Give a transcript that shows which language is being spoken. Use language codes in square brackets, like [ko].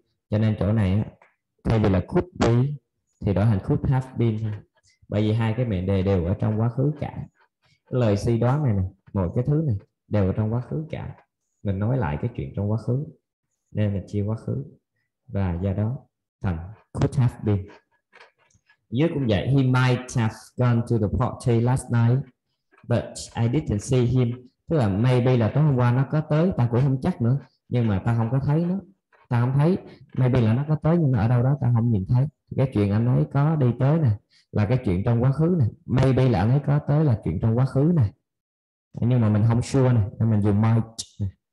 [vi] Cho nên chỗ này thay vì là could be thì đổi thành could have been. Bởi vì hai cái mệnh đề đều ở trong quá khứ cả. Lời suy đoán này nè, mọi cái thứ này đều ở trong quá khứ cả. Mình nói lại cái chuyện trong quá khứ nên mình chia quá khứ, và do đó thành could have been. Dưới cũng vậy, [en] he might have gone to the party last night but I didn't see him. [vi] Tức là maybe là tối hôm qua nó có tới, ta cũng không chắc nữa, nhưng mà ta không có thấy nó. Ta không thấy. Maybe là nó có tới nhưng mà ở đâu đó ta không nhìn thấy. Cái chuyện anh ấy có đi tới nè là cái chuyện trong quá khứ nè. Maybe là anh ấy có tới là chuyện trong quá khứ nè. Nhưng mà mình không sure nè, nên mình dùng might.